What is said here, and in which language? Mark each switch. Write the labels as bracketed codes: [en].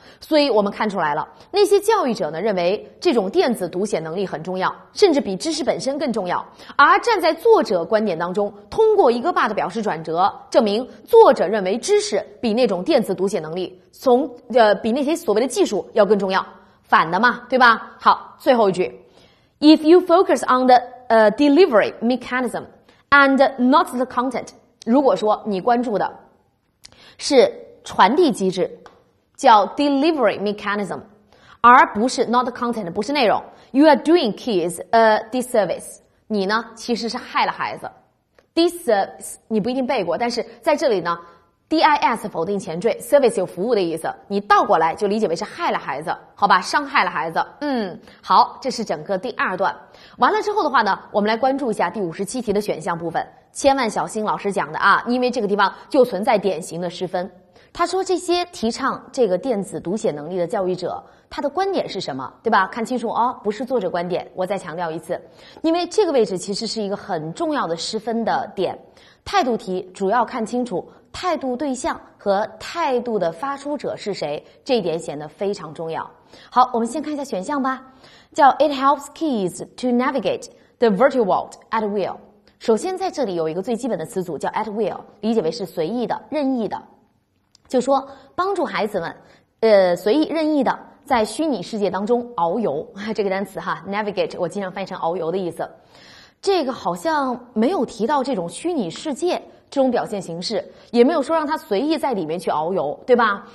[zh] 所以我们看出来了，那些教育者呢认为这种电子读写能力很重要，甚至比知识本身更重要。而站在作者观点当中，通过一个 but 表示转折，证明作者认为知识比那种电子读写能力比那些所谓的技术要更重要。反的嘛，对吧？好，最后一句， [en] If you focus on the delivery mechanismand not the content， [zh] 如果说你关注的是传递机制，叫 delivery mechanism， 而不是 [en] not the content， [zh] 不是内容， [en] you are doing kids a disservice， [zh] 你呢其实是害了孩子。 disservice 你不一定背过，但是在这里呢 dis 否定前缀， service 有服务的意思，你倒过来就理解为是害了孩子，好吧，伤害了孩子。好，这是整个第二段。完了之后的话呢，我们来关注一下第57题的选项部分，千万小心老师讲的啊，因为这个地方就存在典型的失分。他说这些提倡这个电子读写能力的教育者，他的观点是什么，对吧？看清楚哦，不是作者观点，我再强调一次，因为这个位置其实是一个很重要的失分的点。态度题主要看清楚态度对象和态度的发出者是谁，这一点显得非常重要。好，我们先看一下选项吧，叫 [en] It helps kids to navigate the virtual world at will。 [zh] 首先在这里有一个最基本的词组叫 at will， 理解为是随意的任意的，就说帮助孩子们随意任意的在虚拟世界当中遨游。这个单词哈 navigate 我经常翻译成遨游的意思，这个好像没有提到这种虚拟世界这种表现形式，也没有说让他随意在里面去遨游，对吧？